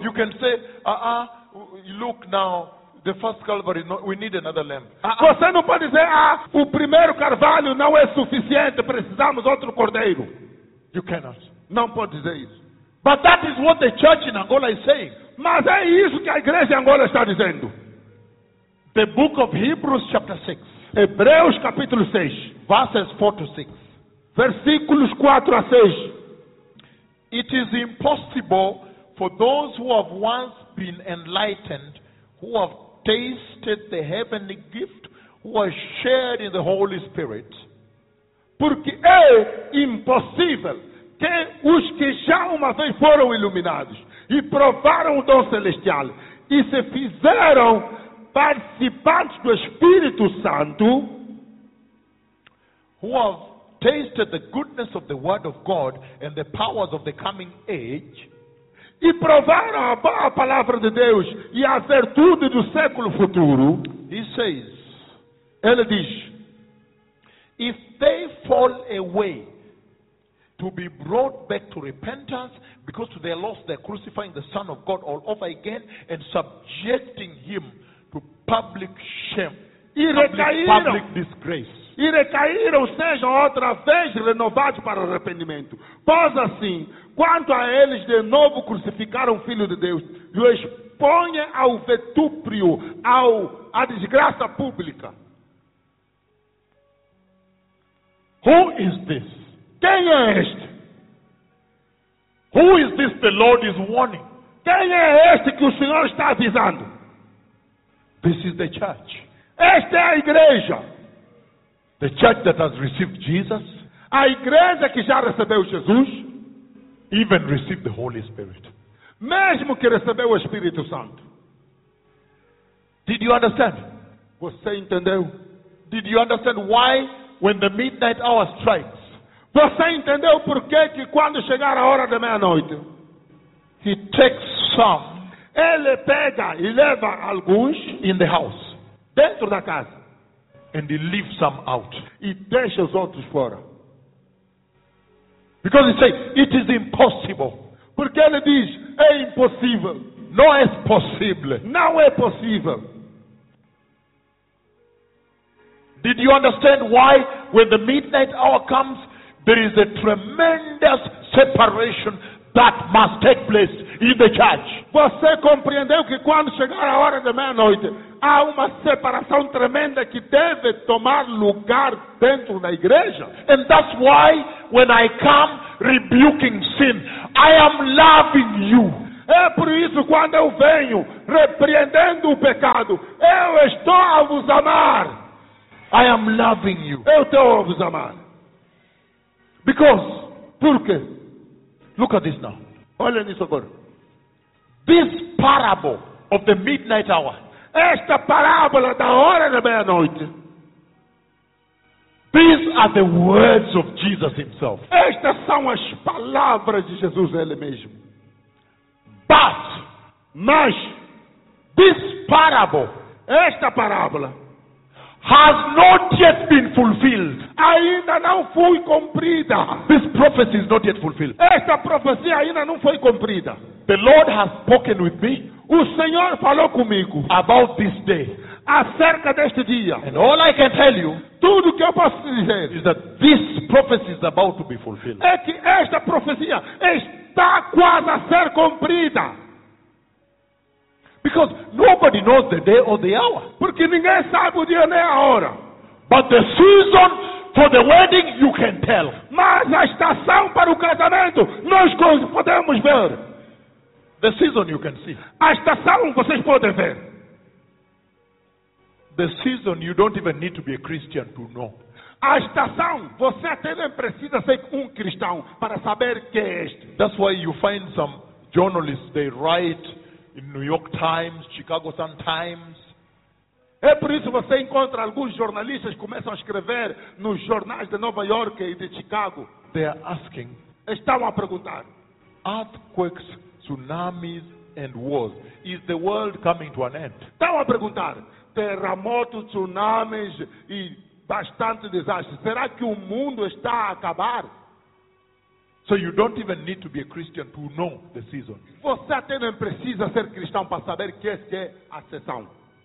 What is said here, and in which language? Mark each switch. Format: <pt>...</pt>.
<en>You can say, look now, the first Calvary, no, we need another lamb.</en> <pt>Você não pode dizer, o primeiro carvalho não é suficiente, precisamos outro cordeiro.</pt> <en>You cannot.</en> <pt>Não pode dizer isso.</pt> <en>But that is what the church in Angola is saying.</en> <pt>Mas é isso que a igreja em Angola está dizendo.</pt> <en>The book of Hebrews chapter 6.</en> <pt>Hebreus capítulo 6.</pt> <en>Verses 4 to 6.</en> <pt>Versículos 4 a 6.</pt> <en>It is impossible for those who have once been enlightened, who have tasted the heavenly gift, who have shared in the Holy Spirit.</en> <pt>Porque é impossível que os que já uma vez foram iluminados e provaram o dom celestial e se fizeram participantes do Espírito Santo,</pt> <en>who have tasted the goodness of the word of God and the powers of the coming age,</en> <pt>e provaram a boa palavra de Deus e a virtude do século futuro,</pt> <en>he says,</en> <pt>ele diz,</pt> <en>if they fall away, to be brought back to repentance, because to their loss they are crucifying the Son of God all over again and subjecting him to public shame, public disgrace.</en> <pt>E recaíram, sejam outra vez renovados para arrependimento. Pois assim, quanto a eles de novo crucificaram o Filho de Deus, e o exponha ao vetúprio, à desgraça pública.</pt> <en>Who is this?</en> <pt>Quem é este?</pt> <en>Who is this the Lord is warning?</en> <pt>Quem é este que o Senhor está avisando?</pt> <en>This is the church.</en> <pt>Esta é a igreja.</pt> <en>The church that has received Jesus,</en> <pt>a igreja que já recebeu Jesus,</pt> <en>even received the Holy Spirit,</en> <pt>mesmo que recebeu o Espírito Santo.</pt> <en>Did you understand?</en> <pt>Você entendeu?</pt> <en>Did you understand why when the midnight hour strikes?</en> <pt>Você entendeu por que quando chegar a hora da meia-noite,</pt> <en>he takes some,</en> <pt>ele pega e leva alguns</pt> <en>in the house,</en> <pt>dentro da casa.</pt> <en>And he leaves some out.</en> <pt>E deixa os outros fora.</pt> <en>Because he says, it is impossible.</en> <pt>Porque ele diz, é impossível. Não é possível. Não é possível.</pt> <en>Did you understand why when the midnight hour comes, there is a tremendous separation that must take place in the church?</en> <pt>Você compreendeu que quando chegar a hora da meia-noite, há uma separação tremenda que deve tomar lugar dentro da igreja?</pt> <en>And that's why when I come rebuking sin, I am loving you.</en> <pt>É por isso quando eu venho repreendendo o pecado, eu estou a vos amar.</pt> <en>I am loving you.</en> <pt>Eu estou a vos amar.</pt> <en>Because,</en> <pt>porque,</pt> <en>look at this now.</en> <pt>Olha nisso agora.</pt> <en>This parable of the midnight hour,</en> <pt>esta parábola da hora da meia-noite,</pt> <en>these are the words of Jesus himself.</en> <pt>Estas são as palavras de Jesus ele mesmo.</pt> <en>But,</en> <pt>mas,</pt> <en>this parable,</en> <pt>esta parábola,</pt> <en>has not yet been fulfilled.</en> <pt>Ainda não foi cumprida.</pt> <en>This prophecy is not yet fulfilled.</en> <pt>Esta profecia ainda não foi cumprida.</pt> <en>The Lord has spoken with me.</en> <pt>O Senhor falou comigo</pt> <en>about this day,</en> <pt>acerca deste dia.</pt> <en>And all I can tell you,</en> <pt>tudo que eu posso dizer,</pt> <en>is that this prophecy is about to be fulfilled.</en> <pt>É que esta profecia está quase a ser cumprida.</pt> <en>Because nobody knows the day or the hour.</en> <pt>Porque ninguém sabe o dia nem a hora.</pt> <en>But the season for the wedding, you can tell.</en> <pt>Mas a estação para o casamento, nós podemos ver.</pt> <en>The season you can see.</en> <pt>A estação vocês podem ver.</pt> <en>The season you don't even need to be a Christian to know.</en> <pt>A estação você até nem precisa ser cristão para saber que é este.</pt> <en>That's why you find some journalists, they write in New York Times, Chicago Sun Times,</en> <pt>É por isso que você encontra alguns jornalistas que começam a escrever nos jornais de Nova York e de Chicago.</pt> <en>They are asking.</en> <pt>Estão a perguntar.</pt> <en>Earthquakes, tsunamis and wars. Is the world coming to an end?</en> <pt>Estão a perguntar. Terremotos, tsunamis e bastante desastres. Será que o mundo está a acabar?</pt> <en>So you don't even need to be a Christian to know the season.</en> <pt>Você até não precisa ser cristão para saber que é a sessão.</pt>